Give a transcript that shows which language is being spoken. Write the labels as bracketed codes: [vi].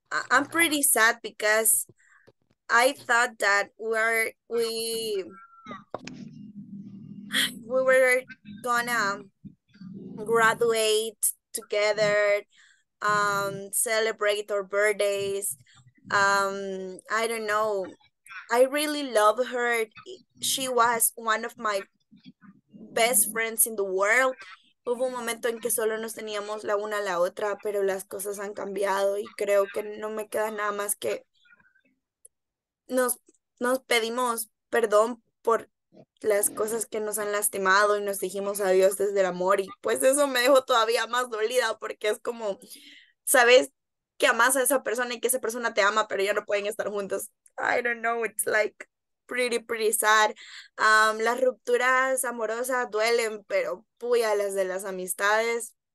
[en] I'm pretty sad because I thought that we were gonna graduate together, celebrate our birthdays. I don't know. I really love her. She was one of my best friends in the world. [es] Hubo un momento en que solo nos teníamos la una a la otra, pero las cosas han cambiado y creo que no me queda nada más que nos pedimos perdón por las cosas que nos han lastimado y nos dijimos adiós desde el amor. Y pues eso me dejó todavía más dolida porque es como, sabes que amas a esa persona y que esa persona te ama, pero ya no pueden estar juntos. [en] I don't know, it's like pretty, pretty sad. [es] Las rupturas amorosas duelen, pero puya las de las amistades.